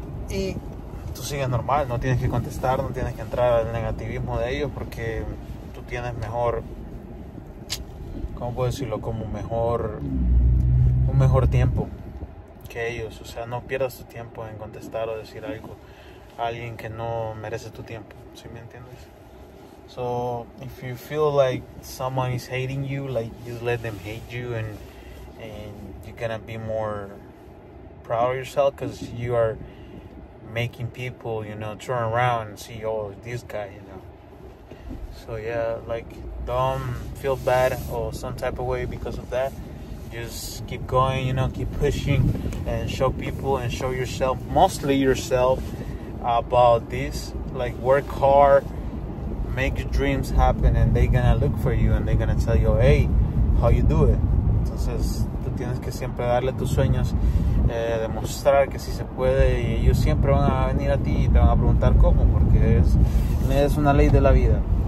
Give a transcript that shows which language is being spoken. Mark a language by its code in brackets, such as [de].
[es] Y tú sigues normal, no tienes que contestar, no tienes que entrar al negativismo de ellos porque tú tienes mejor, ¿cómo puedo decirlo? Como mejor, un mejor tiempo que ellos. O sea, no pierdas tu tiempo en contestar o decir algo a alguien que no merece tu tiempo, ¿sí me entiendes? [en] So, if you feel like someone is hating you, like just let them hate you and you're gonna be more proud of yourself because you are making people, you know, turn around and see, oh, this guy, you know. So, yeah, like, don't feel bad or some type of way because of that. Just keep going, you know, keep pushing and show people and show yourself, mostly yourself, about this. Like, work hard, make your dreams happen, and they're gonna look for you and they're gonna tell you, hey, how you do it. [es] Entonces, tú tienes que siempre darle tus sueños, demostrar que sí se puede, y ellos siempre van a venir a ti y te van a preguntar cómo, porque es una ley de la vida.